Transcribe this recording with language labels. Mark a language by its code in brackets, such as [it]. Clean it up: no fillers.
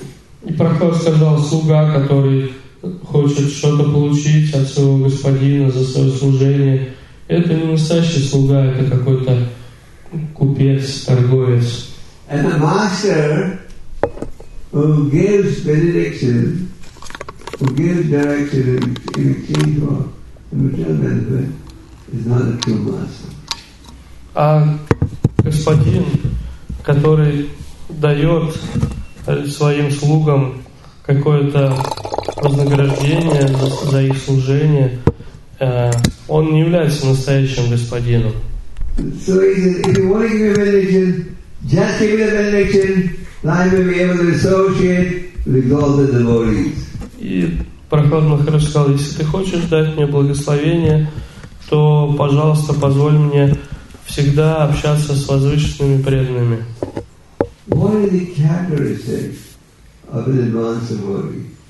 [ru] И Прохлад сказал, слуга, который хочет что-то получить от своего господина за свое служение, это не настоящий слуга, это какой-то купец, торговец. [en] And the master who gives benediction, who gives direction in exchange for the material benefit, is not a true master. [ru] Господин, который дает своим слугам какое-то вознаграждение за их служение, он не является настоящим господином. [en] So if you want to give a benediction, just give a benediction, then you'll be able to associate with all the devotees. [ru] И Прохлад Махарадж сказал, если ты хочешь дать мне благословение, то, пожалуйста, позволь мне всегда общаться с возвышенными преданными. [en] What are the characteristics of an advanced devotee?